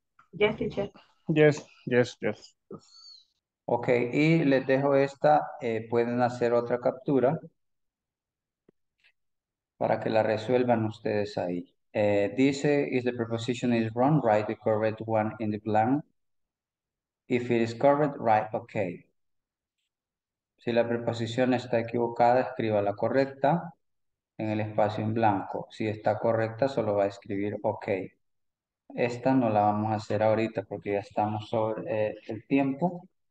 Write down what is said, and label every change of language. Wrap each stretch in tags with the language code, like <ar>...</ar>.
<en>Yes, teacher. Yes, yes, yes.</en> <es>Okay, y les dejo esta. Pueden hacer otra captura para que la resuelvan ustedes ahí.</es> <en>Dice, if the preposition is wrong, write the correct one in the blank. If it is correct, write okay.</en> <es>Si la preposición está equivocada, escriba la correcta en el espacio en blanco. Si está correcta, solo va a escribir OK. Esta no la vamos a hacer ahorita porque ya estamos sobre el tiempo.</es>